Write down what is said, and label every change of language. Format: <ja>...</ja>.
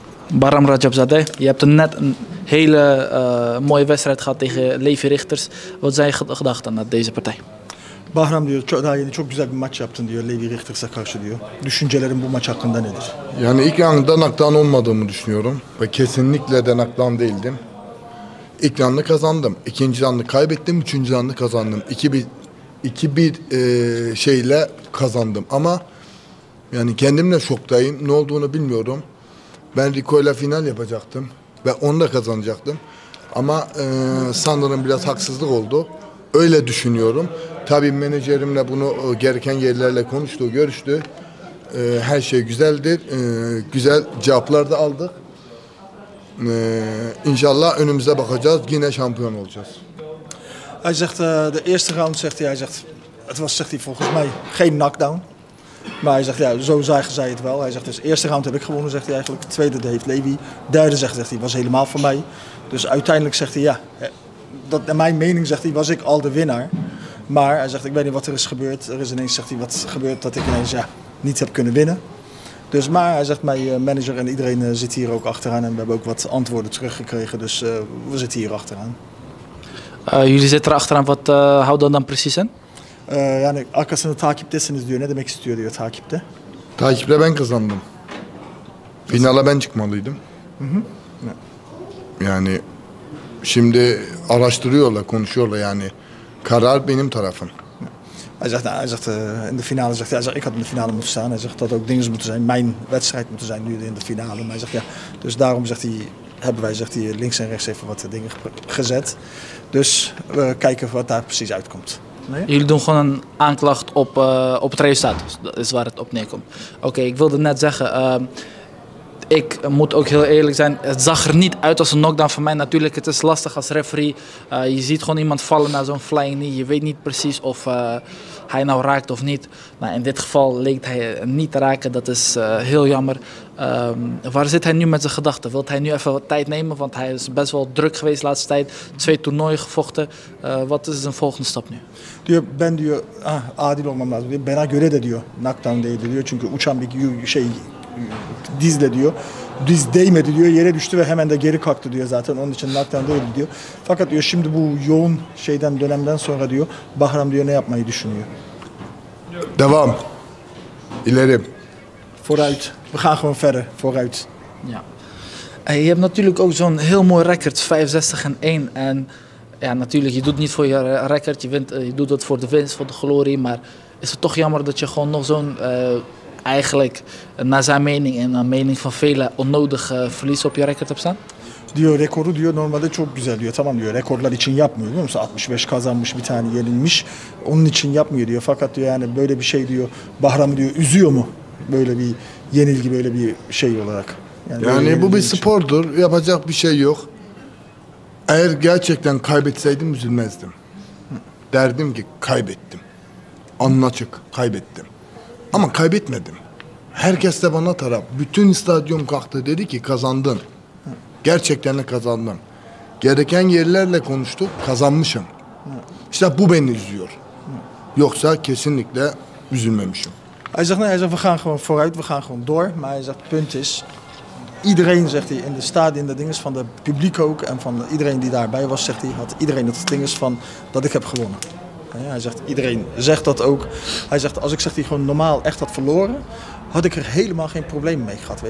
<nl>Bahram Rajabzadeh, je hebt net een hele mooie wedstrijd gehad tegen Levi Richters. Wat zijn je gedachten naar deze partij?</nl> <tr>Bahram diyor, çok, daha yeni çok güzel bir maç yaptın diyor Levi Richters'a karşı diyor. Düşüncelerin bu maç hakkında nedir? Yani ilk anı danaktan olmadığımı düşünüyorum. Ve kesinlikle danaktan değildim. İlk anı kazandım. İkinci anı kaybettim. Üçüncü anı kazandım. 2-1 şeyle kazandım. Ama yani kendimle şoktayım. Ne olduğunu bilmiyorum. Ben Rico ile final yapacaktım. Ve onu da kazanacaktım. Ama sanırım biraz haksızlık oldu. Öyle düşünüyorum. Tabii menajerimle bunu gereken yerlerle konuştu, görüştü. Her şey güzeldi. Güzel cevaplar da aldık. İnşallah önümüze bakacağız. Yine şampiyon olacağız.</tr> <nl>Hij zegt, de eerste round zegt hij, zegt, het was zegt hij volgens mij geen knockdown. Maar hij zegt, ja, zo zagen zij het wel. Hij zegt, dus eerste round heb ik gewonnen, zegt hij eigenlijk. Tweede heeft Levi. Derde zegt hij, was helemaal van mij. Dus uiteindelijk zegt hij, ja, dat, naar mijn mening zegt hij, was ik al de winnaar. Maar hij zegt, ik weet niet wat er is gebeurd. Er is ineens, zegt hij, wat gebeurd dat ik ineens ja, niet heb kunnen winnen. Dus, maar hij zegt, mijn manager en iedereen zit hier ook achteraan. En we hebben ook wat antwoorden teruggekregen. Dus we zitten hier achteraan. Jullie zitten er achteraan. Wat houdt dat dan precies in?</nl> <tr>Yani arkasını takiptesiniz diyor. Ne demek istiyor diyor takipte? Takipte ben kazandım. Finale ben çıkmalıydım. Yani şimdi araştırıyorlar, konuşuyorlar yani. Karar benim tarafım.</tr> <nl>Hij zegt, nou, hij zegt in de finale, zegt, hij zegt, ik had in de finale moeten staan. Hij zegt dat ook dingen moeten zijn, mijn wedstrijd moeten zijn nu in de finale. Maar hij zegt, ja, dus daarom zegt hij, hebben wij zegt hij, links en rechts even wat dingen gezet. Dus we kijken wat daar precies uitkomt. Nee? Jullie doen gewoon een aanklacht op het resultaat, dus dat is waar het op neerkomt. Oké, ik wilde net zeggen, ik moet ook heel eerlijk zijn, het zag er niet uit als een knockdown van mij. Natuurlijk, het is lastig als referee. Je ziet gewoon iemand vallen naar zo'n flying knee. Je weet niet precies of hij nou raakt of niet. Maar in dit geval leek hij niet te raken. Dat is heel jammer. Waar zit hij nu met zijn gedachten? Wilt hij nu even wat tijd nemen? Want hij is best wel druk geweest de laatste tijd. Twee toernooien gevochten. Wat is zijn volgende stap nu?</nl> <tr>Diyor, ben diyor, adil olmam lazım. Bana göre de diyor, knockdown değildi diyor. Çünkü uçan bir şey... dizle diyor. Diz değmedi diyor. Yere düştü ve hemen de geri kalktı diyor zaten. Onun için knockdown değil diyor. Fakat diyor şimdi bu yoğun şeyden dönemden sonra diyor Bahram diyor ne yapmayı düşünüyor? Devam. İlerim.</tr> <nl>Vooruit. We gaan gewoon verder. Vooruit. Ja. En je hebt natuurlijk ook zo'n heel mooi record. 65-1. En ja, natuurlijk je doet niet voor je record. Je wint, je doet het voor de winst, voor de glorie. Maar is het toch jammer dat je gewoon nog zo'n eigenlijk naar zijn mening en naar mening van velen onnodig verlies op je record hebt staan?</nl> <tr>Diyor rekoru diyor normalde çok güzel diyor. Tamam diyor rekorlar için yapmıyor biliyor musun? 65 kazanmış bir tane yenilmiş. Onun için yapmıyor diyor. Fakat diyor yani böyle bir şey diyor. Bahram diyor üzüyor mu? Böyle bir yenilgi böyle bir şey olarak. Yani bu bir spordur. Için. Yapacak bir şey yok. Eğer gerçekten kaybetseydim üzülmezdim. Derdim ki kaybettim. Anlaçık kaybettim. Ama kaybetmedim. Herkes de bana taraf. Bütün stadyum kalktı dedi ki kazandın. Gerçekten de kazandım. Gereken yerlerle konuştuk. Kazanmışım. İşte bu beni üzüyor. Yoksa kesinlikle üzülmemişim.</tr> <nl>Hij zegt, nee, hij zegt, we gaan gewoon vooruit, we gaan gewoon door. Maar hij zegt, punt is, iedereen, zegt hij, in de stadion, dat ding is van de publiek ook, en van iedereen die daarbij was, zegt hij, had iedereen het ding is van dat ik heb gewonnen. Ja, hij zegt, iedereen zegt dat ook. Hij zegt, als ik zeg die gewoon normaal echt had verloren, had ik er helemaal geen probleem mee gehad.</nl>